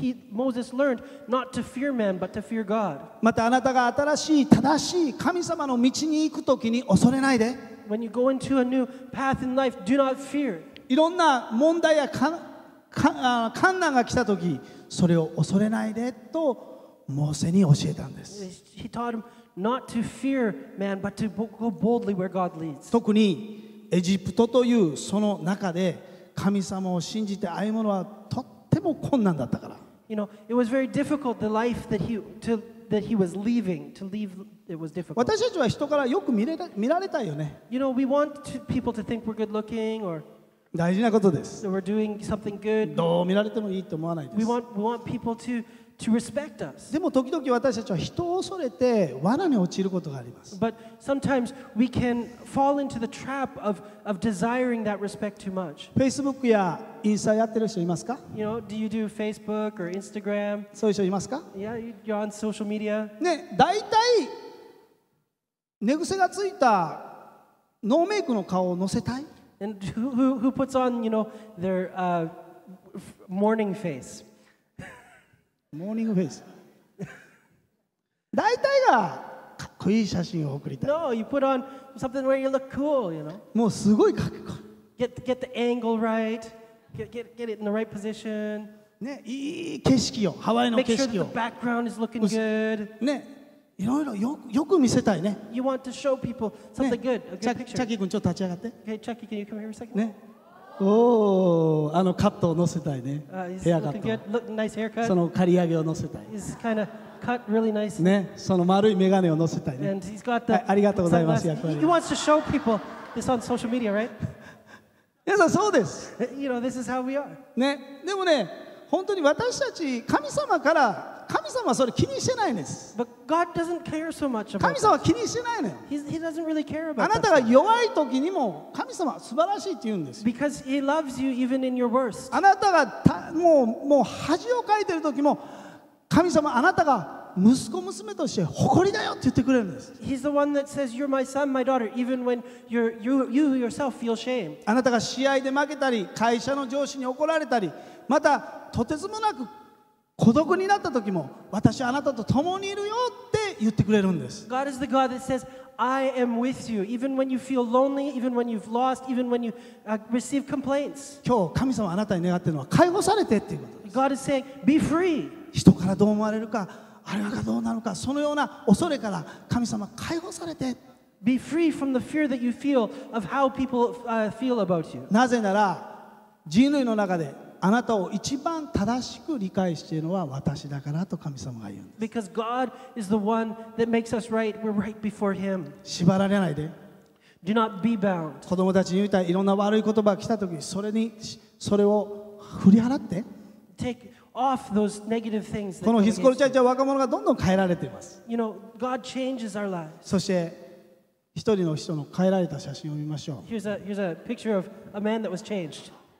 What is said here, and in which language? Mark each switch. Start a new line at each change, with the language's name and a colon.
English: Moses learned not to fear men, but to fear God.
Japanese: またあなたが新しい正しい神様の道に行くときに恐れないで。
English: When you go into a new path in life, do not fear.
Japanese: いろんな問題や困難が来たとき、それを恐れないでとモーセに教えたんです。
English: He taught him not to fear man, but to go boldly where God leads.
Japanese: 特にエジプトというその中で。神様を信じて歩むのはとっても困難だったから。
English: You know, it was very difficult the life that he was leaving to leave. It was difficult.
Japanese: 私たちは人からよく見られたいよね。
English: You know, we want people to think we're good looking or
Japanese: 大事なことです。
English: That we're doing something good.
Japanese: どう見られてもいいと思わないです。
English: We want people to respect us.
Japanese: でも時々私たちは人を恐れて罠に陥ることがあります。
English: But sometimes we can fall into the trap of desiring that respect too much.
Japanese: Facebook やインスタやってる人いますか？
English: You know, do you do Facebook or Instagram?
Japanese: そういう人いますか？
English: Yeah, you're on social media.
Japanese: ね、だいたい寝癖がついたノーメイクの顔を載せたい。
English: And who puts on, you know, their morning face? モーニングフェイス。
Japanese: 大体がかっこいい写真を送りたい。
English: No, you put on something where you look cool, you know.
Japanese: もうすごいかっこいい。
English: Get the angle right. Get it in the right position.
Japanese: ね、いい景色よ、ハワイの景色よ。
English: Make sure the background is looking good.
Japanese: ね、いろいろよく見せたいね。
English: You want to show people something、ね、good, a good picture.
Japanese: チャッキー君ちょっと立ち上がって。
English: Okay, Chucky, can you come here for a second?
Japanese: ね。おお、あのカットを乗せたいね。ヘアカット。その刈り上げを乗せたい。
English: He's kind of cut really nice.
Japanese: ね、その丸い眼鏡を乗せたいね。
English: And he's got the.
Japanese: ありがとうございます。
English: He wants to show people this on social media, right?
Japanese: 皆さんそうです。
English: You know, this is how we are.
Japanese: ね、でもね、本当に私たち神様から神様はそれ気にしてないんです。
English: But God doesn't care so much about.
Japanese: 神様は気にしてないね。
English: He doesn't really care about.
Japanese: あなたが弱い時にも神様は素晴らしいって言うんです。
English: Because He loves you even in your worst.
Japanese: あなたがたもう恥をかいてる時も神様あなたが息子娘として誇りだよって言ってくれるんです。
English: He's the one that says you're my son, my daughter, even when you yourself feel shame.
Japanese: あなたが試合で負けたり会社の上司に怒られたり、またとてつもなく孤独になった時も私はあなたと共にいるよって言ってくれるんです。
English: God is the God that says I am with you even when you feel lonely, even when you've lost, even when you receive complaints.
Japanese: 今日神様あなたに願っているのは解放されてっていうことです。
English: God is saying be free.
Japanese: 人からどう思われるか、あれがどうなるか、そのような恐れから神様解放されて。
English: Be free from the fear that you feel of how people feel about you.
Japanese: なぜなら人類の中であなたを一番正しく理解しているのは私だからと神様が言うんです。
English: Because God is the one that makes us right. We're right before Him.
Japanese: 縛られないで。
English: Do not be bound.
Japanese: 子供たちに言ったいろんな悪い言葉が来た時、それを振り払って。
English: Take off those negative things.
Japanese: このヒスコルチャーチャー若者がどんどん変えられています。
English: You know, God changes our lives.
Japanese: そして一人の人の変えられた写真を見ましょう。
English: Here's a picture of a man that was changed.